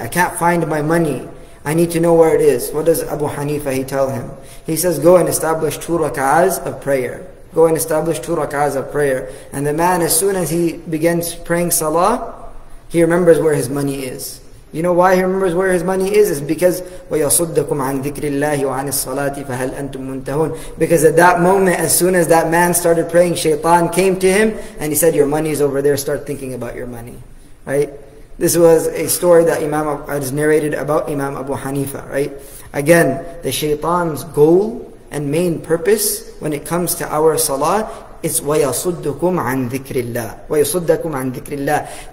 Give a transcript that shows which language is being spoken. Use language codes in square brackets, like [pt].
[en] I can't find my money. I need to know where it is. What does Abu Hanifa, he tell him? He says, go and establish 2 raka'ahs of prayer. Go and establish 2 raka'ahs of prayer. And the man, as soon as he begins praying salah, he remembers where his money is. You know why he remembers where his money is? It's because [ar] وَيَصُدَّكُمْ عَنْ ذِكْرِ اللَّهِ وَعَنِ الصَّلَاةِ فَهَلْ أَنْتُمْ مُنْتَهُونَ. [en] Because at that moment, as soon as that man started praying, shaitan came to him and he said, your money is over there, start thinking about your money. Right? This was a story that Imam has narrated about Imam Abu Hanifa. Right? Again, the shaitan's goal and main purpose when it comes to our salah is [ar] وَيَصُدُّكُمْ عَنْ ذِكْرِ اللَّهِ [en] وَيَصُدَّكُمْ عَنْ ذِكْرِ اللَّهِ.